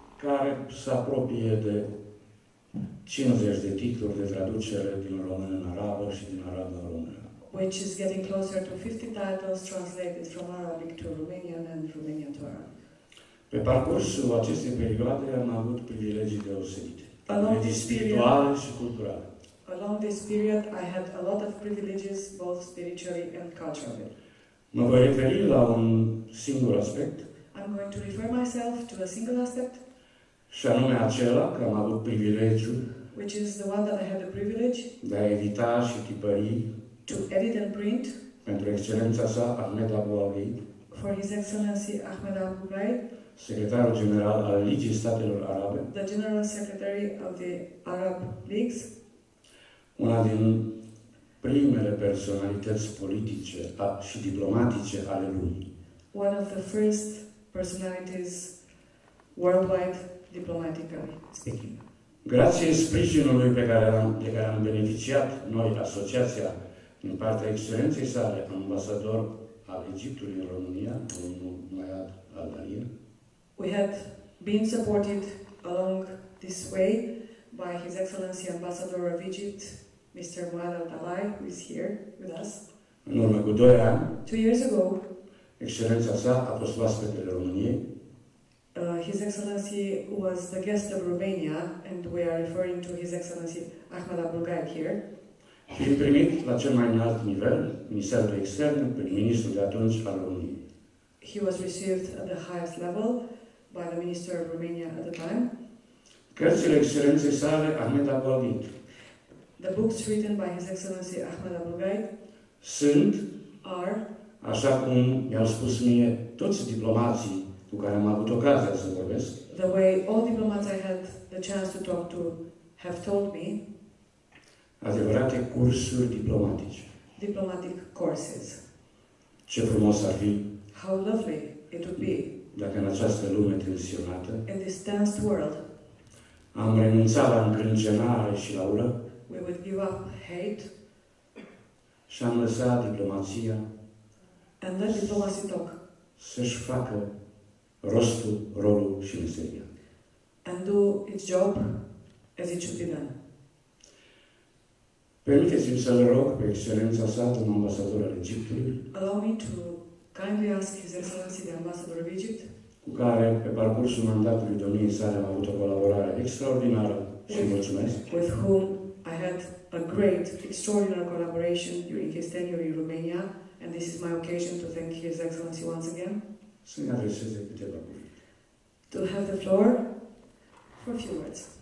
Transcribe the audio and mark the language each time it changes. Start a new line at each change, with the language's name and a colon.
Romanian: care se apropie de 50 de titluri de traducere din română în arabă și din arabă în română.
English: Which is getting closer to 50 titles translated from Arabic to Romanian and Romanian to Arab.
Romanian: Pe parcursul acestei perioade am avut privilegii deosebite.
English: Along this
Romanian: spirituale și culturale.
English: Along this period, I had a lot of privileges, both spiritually and culturally.
Romanian: Mă voi referi la un singur aspect.
English: I'm going to refer myself to a single aspect.
Romanian: Și anume acela că am avut privilegiu,
English: which is the one that I had the privilege,
Romanian: de a edita și tipări,
English: to edit and print,
Romanian: pentru excelența sa, Ahmed Abu Ghraib,
English: for His Excellency Ahmed Abu Ghraib,
Romanian: Secretarul General al Ligii Statelor Arabe,
English: the General Secretary of the Arab Leagues,
Romanian: una din primele personalități politice și diplomatice ale lumii,
English: one of the first personalities worldwide diplomatically speaking.
Romanian: Grație sprijinului de care am beneficiat noi, Asociația, din partea Excelenței sale, ambasador al Egiptului în România, domnul Mayad Al-Dahir,
English: we had been supported along this way by His Excellency Ambassador of Egypt, Mr. Mayad Al-Dahir, who is here with us.
Romanian: În urmă cu 2 ani,
English: 2 years ago,
Romanian: Excelența sa a fost oaspetele României.
English: His Excellency was the guest of Romania, and we are referring to His Excellency Ahmed Abu Ghraib here.
Romanian: Și a primit la cel mai înalt nivel, Ministerul Extern, prim-ministru de atunci al României.
English: He was received at the highest level by the Minister of Romania at the time.
Romanian: Cărțile Excelenței sale, Ahmed Abu Ghraib.
English: The books written by His Excellency Ahmed Abu Ghraib
Romanian: sunt,
English: are,
Romanian: așa cum mi-au spus mie toți diplomații cu care am avut ocazia să vorbesc,
English: the way all diplomats I had the chance to talk to have told me,
Romanian: adevărate cursuri diplomatice.
English: Diplomatic courses.
Romanian: Ce frumos ar fi.
English: How lovely it would be.
Romanian: dacă în această lume tensionată,
English: in this tensed world,
Romanian: am renunțat la încrâncenare și la ură,
English: we would give up hate,
Romanian: și am lăsat diplomația,
English: and let diplomacy talk,
Romanian: să-și facă rostul, rolul și meseria,
English: and do its job as it should be done.
Romanian: Permiteți-mi să-l rog pe excelența sa, un ambasador al Egiptului,
English: allow me to kindly ask His Excellency the Ambassador of Egypt,
Romanian: cu care pe parcursul mandatului domniei sale am avut o colaborare extraordinară și mulțumesc,
English: with whom I had a great extraordinary collaboration during his tenure in Romania, and this is my occasion to thank His Excellency once again,
Romanian: să-mi adreseze câteva cuvinte,
English: to have the floor for a few words.